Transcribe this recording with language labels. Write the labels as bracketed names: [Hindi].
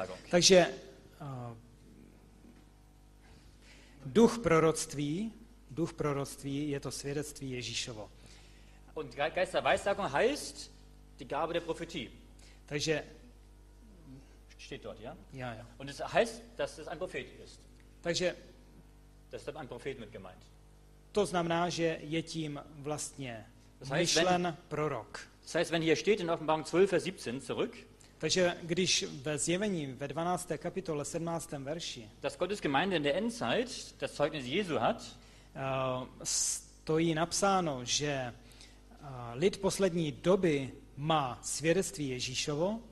[Czech] Takže duch proroctví je to svědectví Ježíšovo. [German] Und Geisterweissagung heißt die Gabe der Prophetie. [Czech] Takže [German] steht dort, ja? Ja, ja. Und es heißt, dass es ein Prophet ist. [Czech] Takže [German] das ist ein Prophet mit gemeint. [Czech] To znamená, že je tím vlastně myšlen prorok. [German] Das heißt, wenn hier steht in Offenbarung 12, Vers 17 zurück. [Czech] Takže když ve Zjevení ve 12. kapitole 17. verši. [German] Das Gottes Gemeinde in der Endzeit das Zeugnis Jesu hat. [Czech] Stojí napsáno, že lid poslední doby má svědectví Ježíšovo.